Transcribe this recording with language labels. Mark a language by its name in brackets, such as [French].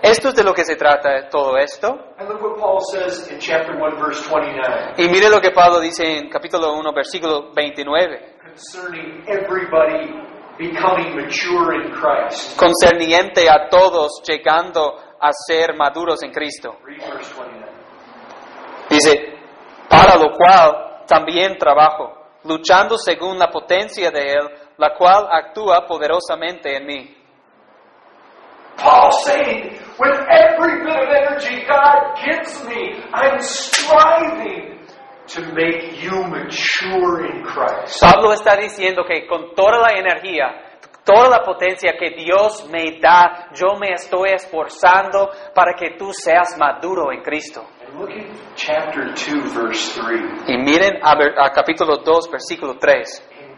[Spanish] Esto es de lo que se trata todo esto. [English] And look what Paul says in chapter 1, verse 29. [Spanish] Y mire lo que Pablo dice en capítulo 1, versículo 29. [English] Concerning everybody becoming mature in Christ. [Spanish] Concerniente a todos llegando a ser maduros en Cristo. [English] Read verse 29. [Spanish] Dice, para lo cual también trabajo, luchando según la potencia de Él, la cual actúa poderosamente en mí. [English] Paul saying, with every bit of energy God gives me, I'm striving to make you mature in Christ. [Spanish] Pablo está diciendo que con toda la energía, toda la potencia que Dios me da, yo me estoy esforzando para que tú seas maduro en Cristo. [English] And look at chapter 2, verse 3. [Spanish] Y miren a capítulo 2, versículo 3.